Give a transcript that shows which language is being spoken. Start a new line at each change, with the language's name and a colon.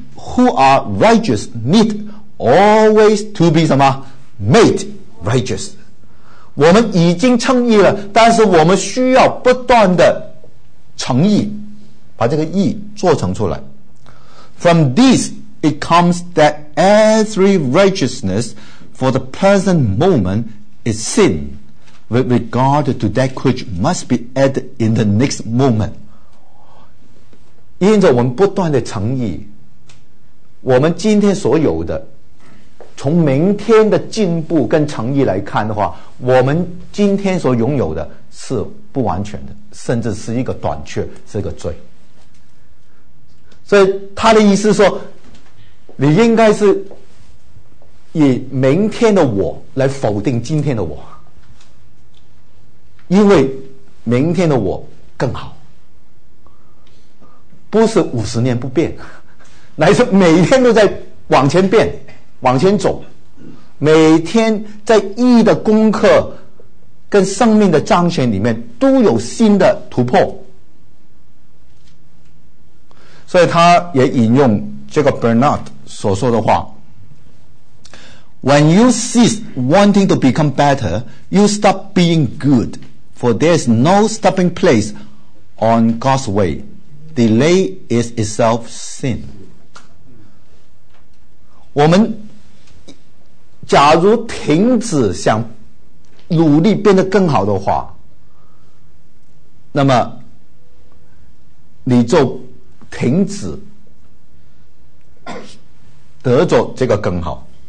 English: who are righteous need always to be
Chinese: 什么
English: made righteous。
Chinese: 我们已经称义了，但是我们需要不断的诚义，把这个义做成出来。
English: From this it comes that every righteousness for the present moment is sin with regard to that which must be added in the next moment。
Chinese: 因着我们不断的诚义，我们今天所有的从明天的进步跟诚意来看的话，我们今天所拥有的是不完全的，甚至是一个短缺，是个罪。所以他的意思说，你应该是以明天的我来否定今天的我，因为明天的我更好，不是五十年不变，乃是每天都在往前变，往前走，每天在义的功课跟生命的彰显里面都有新的突破。所以他也引用这个 Bernard 所说的话，
English: When you cease wanting to become better, you stop being good, for there is no stopping place on God's way. Delay is itself sin.
Chinese: 我们假如停止想努力变得更好的话，那么你就停止得着这个更好。